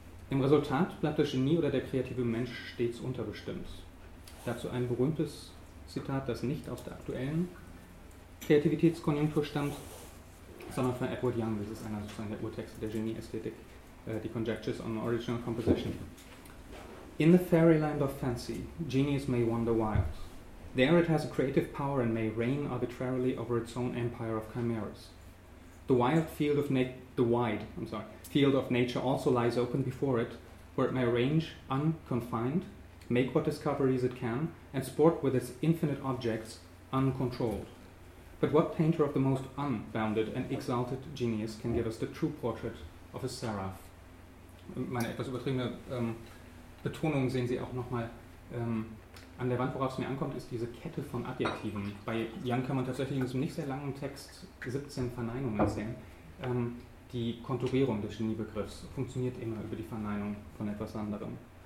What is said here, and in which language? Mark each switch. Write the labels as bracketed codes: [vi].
[de] Im Resultat bleibt das Genie oder der kreative Mensch stets unterbestimmt. Dazu ein berühmtes Zitat, das nicht aus der aktuellen Kreativitätskonjunktur stammt, sondern von Edward Young, das ist einer sozusagen der Urtexte der Genie-Ästhetik, die Conjectures on Original Composition. [en] In the fairyland of fancy, genius may wander wild. There it has a creative power and may reign arbitrarily over its own empire of chimeras. The wide field of nature also lies open before it, where it may range unconfined, make what discoveries it can, and sport with its infinite objects uncontrolled. But what painter of the most unbounded and exalted genius can give us the true portrait of a seraph? [de] Meine etwas übertriebene Betonung sehen Sie auch nochmal an der Wand. Worauf es mir ankommt, ist diese Kette von Adjektiven. Bei Young kann man tatsächlich in diesem nicht sehr langen Text 17 Verneinungen sehen. Die Konturierung des Geniebegriffs funktioniert immer über die Verneinung von etwas anderem.